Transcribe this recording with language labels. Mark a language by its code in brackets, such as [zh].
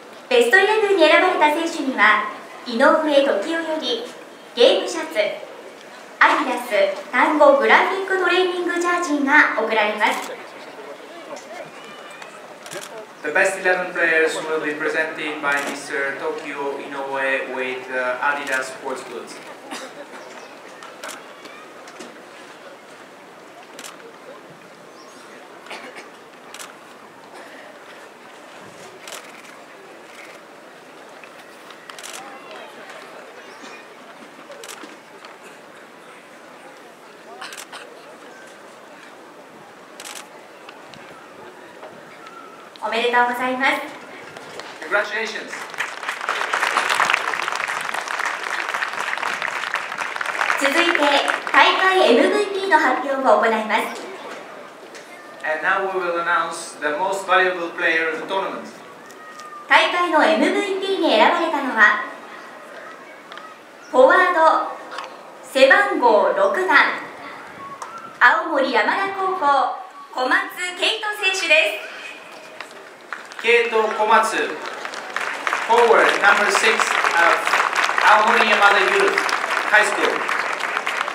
[ja] ベストイレブンに選ばれた選手には井上時代よりゲームシャツ、アディダス単語グラフィックトレーニングジャージが贈られます。 [en] The best 11 players will be presented by Mr. Tokyo Inoue with Adidas sports goods. [ja] おめでとうございます。 [en] Congratulations. [ja] 続いて大会 MVP の発表を行います。 [en] And now we will announce the most valuable player of the tournament. [ja] 大会の MVP に選ばれたのはフォワード背番号6番青森山田高校小松健人選手です。 [en] ケイト・コマツ、フォーワード、ナンバー6、青森山田ユース、ハイスクール。